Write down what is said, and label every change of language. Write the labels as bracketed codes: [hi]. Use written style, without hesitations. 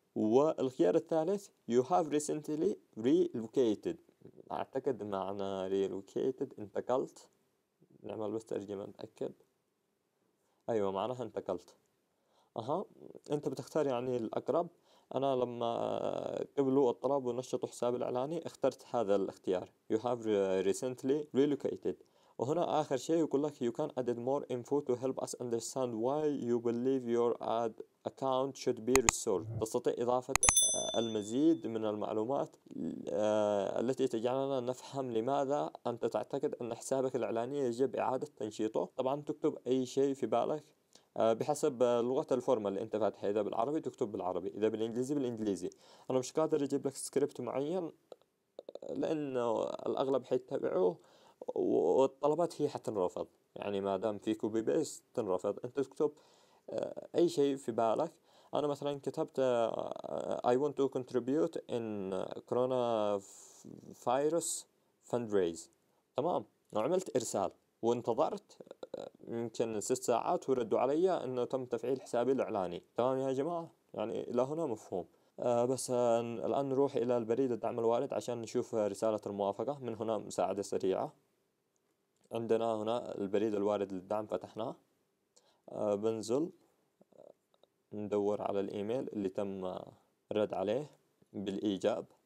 [ar] والخيار الثالث [en] You have recently relocated، [ar] أعتقد معنى relocated انتقلت، نعمل بس ترجمة نتأكد. أيوة معناها انتقلت. أها، أنت بتختار يعني الأقرب. أنا لما قبلوا الطلب ونشطوا حساب الإعلاني اخترت هذا الاختيار [en] You have recently relocated. [ar] وهنا آخر شيء يقول لك [en] you can add more info to help us understand why you believe your ad account should be restored. [ar] تستطيع إضافة المزيد من المعلومات التي تجعلنا نفهم لماذا أنت تعتقد أن حسابك الإعلاني يجب إعادة تنشيطه. طبعا تكتب أي شيء في بالك بحسب لغة الفورمة اللي أنت فاتحها، إذا بالعربي تكتب بالعربي، إذا بالإنجليزي بالإنجليزي. أنا مش قادر أجيب لك سكريبت معين لأنه الأغلب حيتبعوه والطلبات هي حتنرفض، يعني ما دام في كوبي بيست تنرفض. انت تكتب اي شيء في بالك. انا مثلا كتبت [en] I want to contribute in coronavirus fundraise. [ar] تمام، وعملت إرسال وانتظرت يمكن 6 ساعات وردوا علي أنه تم تفعيل حسابي الإعلاني. تمام يا جماعة، يعني إلى هنا مفهوم. بس الآن نروح إلى البريد الدعم الوارد عشان نشوف رسالة الموافقة. من هنا مساعدة سريعة، عندنا هنا البريد الوارد للدعم فتحناه، بنزل ندور على الإيميل اللي تم رد عليه بالإيجاب.